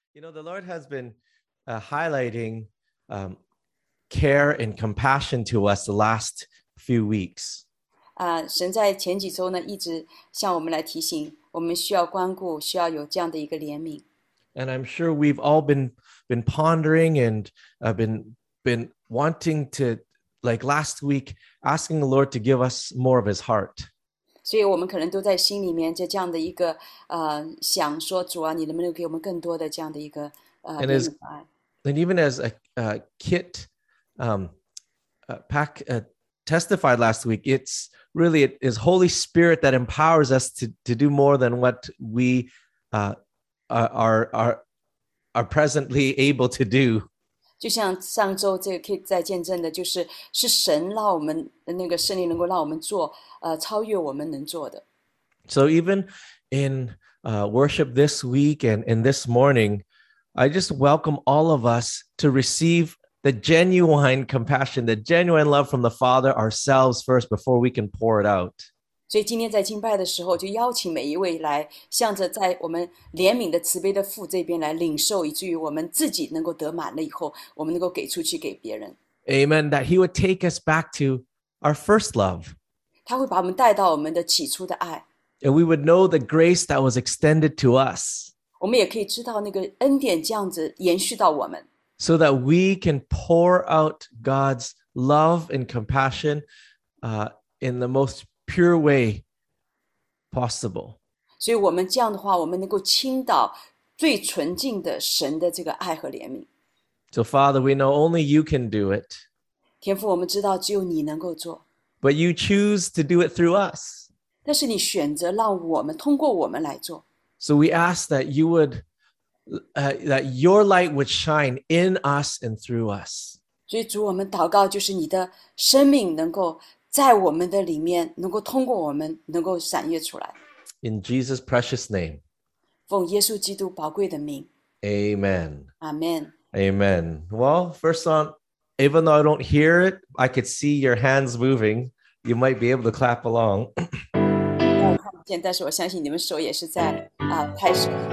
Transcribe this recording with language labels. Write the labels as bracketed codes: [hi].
[en] You know, the Lord has been highlighting care and compassion to us the last few weeks. [zh] 神在前几周呢，一直向我们来提醒，我们需要关顾，需要有这样的一个怜悯。 [en] And I'm sure we've all been pondering and been wanting to, like last week, asking the Lord to give us more of His heart. [zh] 所以我们可能都在心里面就这样的一个想说主啊，你能不能给我们更多的这样的一个怜悯爱。 [en] And even as Kit Pak testified last week, it's really it is Holy Spirit that empowers us to do more than what we are presently able to do. [zh] 就像上周这个 Kit 在见证的，就是是神让我们那个圣灵能够让我们做。超越我们能做的。 [en] So even in worship this week and in this morning, I just welcome all of us to receive the genuine compassion, the genuine love from the Father ourselves first before we can pour it out. [zh] 所以今天在敬拜的时候，就邀请每一位来向着在我们怜悯的慈悲的父这边来领受，以至于我们自己能够得满了以后，我们能够给出去给别人。 [en] Amen. That He would take us back to our first love. [zh] 他会把我们带到我们的起初的爱。 [en] And we would know the grace that was extended to us. [zh] 我们也可以知道那个恩典这样子延续到我们。 [en] So that we can pour out God's love and compassion, in the most pure way possible. [zh] 所以我们这样的话，我们能够倾倒最纯净的神的这个爱和怜悯。 [en] So Father, we know only You can do it. [zh] 天父，我们知道只有你能够做。 [en] But You choose to do it through us. [zh] 但是你选择让我们通过我们来做。 [en] So we ask that You would, that Your light would shine in us and through us. [zh] 所以主，我们祷告就是你的生命能够在我们的里面，能够通过我们，能够闪跃出来。 [en] In Jesus' precious name. [zh] 奉耶稣基督宝贵的名。 [en] Amen. Amen. Amen. Well, first on. Even though I don't hear it, I could see your hands moving. You might be able to clap along. [zh] 我看不见，但是我相信你们手也是在拍手。